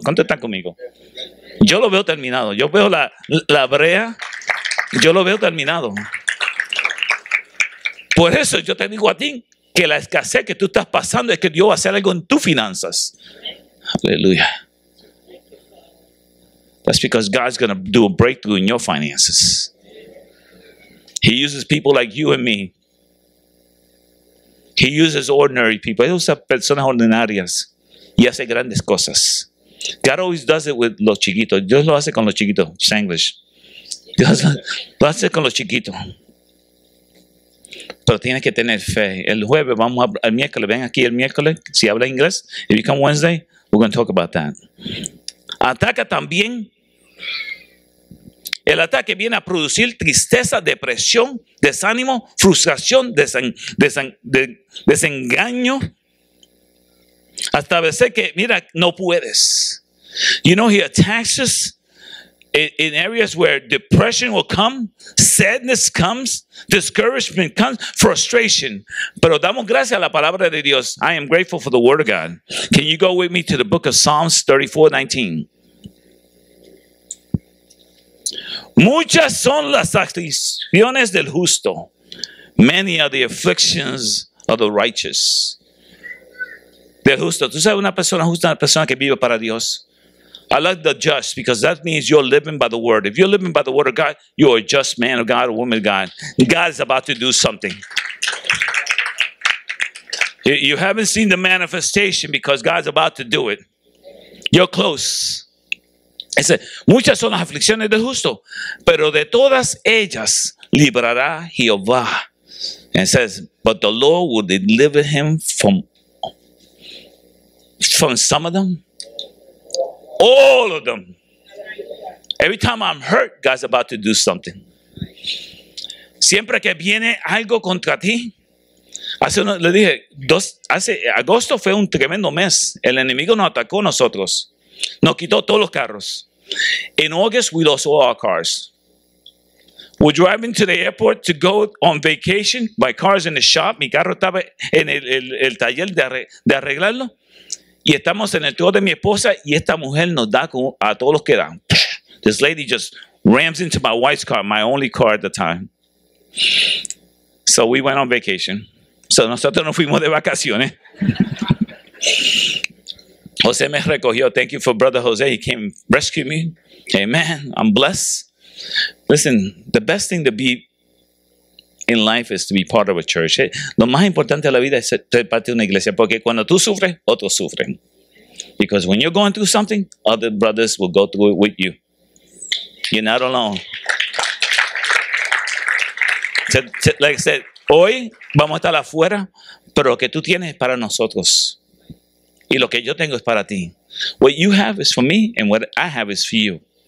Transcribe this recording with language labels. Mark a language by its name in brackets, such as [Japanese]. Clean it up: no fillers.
[Spanish] ¿Cuánto están conmigo? Yo lo veo terminado. Yo veo la brea. Yo lo veo terminado. Por eso yo te digo a ti que la escasez que tú estás pasando es que Dios va a hacer algo en tus finanzas. Aleluya. [English] That's because God's going to do a breakthrough in your finances. He uses people like you and me. He uses ordinary people. [Spanish] Él usa personas ordinarias y hace grandes cosas. [English] God always does it with [Spanish] los chiquitos. Dios lo hace con los chiquitos. Sanglish. Dios lo hace con los chiquitos. Pero tienes que tener fe. El jueves vamos a el miércoles. Ven aquí el miércoles. Si habla inglés. [English] If you come Wednesday, we're going to talk about that. [Spanish] Ataca también. El ataque viene a producir tristeza, depresión, desánimo, frustración, desengaño. Hasta a veces que, mira, no puedes. [English] You know, he attacks us in areas where depression will come, sadness comes, discouragement comes, frustration. [Spanish] Pero damos gracias a la palabra de Dios. [English] I am grateful for the word of God. Can you go with me to the book of Psalms 34:19? [Spanish] Muchas son las aflicciones del justo. [English] Many are the afflictions of the righteous. [Spanish] Del justo. Tú sabes, una persona justa es una persona que vive para Dios. [English] I like the just because that means you're living by the word. If you're living by the word of God, you're a just man of God, a woman of God. God is about to do something. You haven't seen the manifestation because God's about to do it. You're close. [Spanish] Dice, muchas son las aflicciones del justo, pero de todas ellas librará Jehová. [English] And it says, but the Lord will deliver him from from some of them, all of them. Every time I'm hurt, God's about to do something. [Spanish] Siempre que viene algo contra ti, hace uno, le dije, dos, hace, agosto fue un tremendo mes. El enemigo nos atacó a nosotros. Nos quitó todos los carros. [English] In August, we lost all our cars. We're driving to the airport to go on vacation. My car's in the shop. [Spanish] Mi carro estaba en el taller de arreglarlo. Y estamos en el tour de mi esposa y esta mujer nos da a todos los que dan. [English] This lady just rams into my wife's car, my only car at the time. So we went on vacation. [Spanish] So nosotros nos fuimos de vacaciones. José me recogió. [English] Thank you for Brother José. He came and rescued me. Amen. I'm blessed. Listen, the best thing to be in life is to be part of a church. [Spanish] Lo más importante de la vida es ser parte de una iglesia. Porque cuando tú sufres, otros sufren. [English] Because when you're going through something, other brothers will go through it with you. You're not alone. Like I said, [Spanish] hoy vamos a estar afuera, pero lo que tú tienes es para nosotros. Y lo que yo tengo es para ti. [English] What you have is for me, and what I have is for you.